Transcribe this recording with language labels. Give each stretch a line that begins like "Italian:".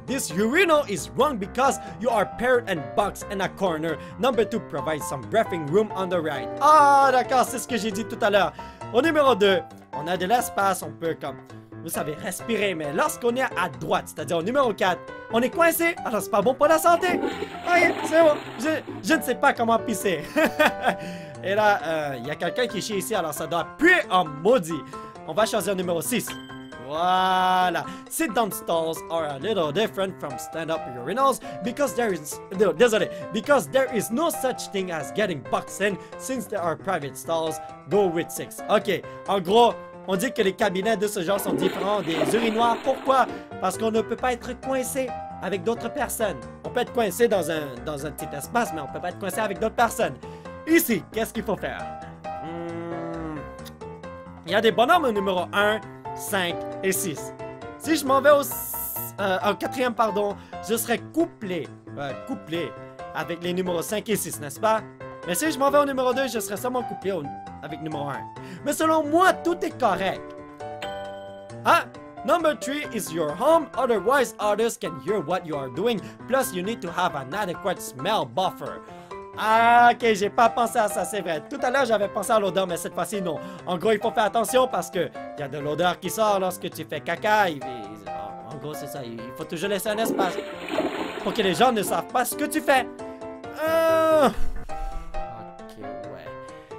English: This urinal is wrong because you are paired and boxed in a corner. Number 2 provides some breathing room on the right.
French: Ah, d'accord, c'est ce que j'ai dit tout à l'heure. Au numéro 2, on a de l'espace, on peut comme, vous savez, respirer. Mais lorsqu'on est à droite, c'est-à-dire au numéro 4, on est coincé. Alors, c'est pas bon pour la santé. Oui, c'est bon. Je ne sais pas comment pisser. Et là, il y a quelqu'un qui chie ici, alors ça doit puer en maudit. On va choisir numéro 6. Voilà.
English: Sit-down stalls are a little different from stand-up urinals because there is...
French: No, désolé.
English: Because there is no such thing as getting boxed in since there are private stalls. Go with 6. Ok.
French: En gros, on dit que les cabinets de ce genre sont différents des urinoirs. Pourquoi? Parce qu'on ne peut pas être coincé avec d'autres personnes. On peut être coincé dans un petit espace, mais on ne peut pas être coincé avec d'autres personnes. Ici, qu'est-ce qu'il faut faire? Il y a des bonhommes au numéro 1, 5 et 6. Si je m'en vais au quatrième, je serai couplé avec les numéros 5 et 6, n'est-ce pas? Mais si je m'en vais au numéro 2, je serai seulement couplé avec numéro 1. Mais selon moi, tout est correct. Hein?
English: Number 3 is your home, otherwise others can hear what you are doing. Plus, you need to have an adequate smell buffer.
French: Ah, ok, j'ai pas pensé à ça, c'est vrai. Tout à l'heure, j'avais pensé à l'odeur, mais cette fois-ci, non. En gros, il faut faire attention parce que il y a de l'odeur qui sort lorsque tu fais caca. En gros, c'est ça. Il faut toujours laisser un espace pour que les gens ne savent pas ce que tu fais. Ok, ouais.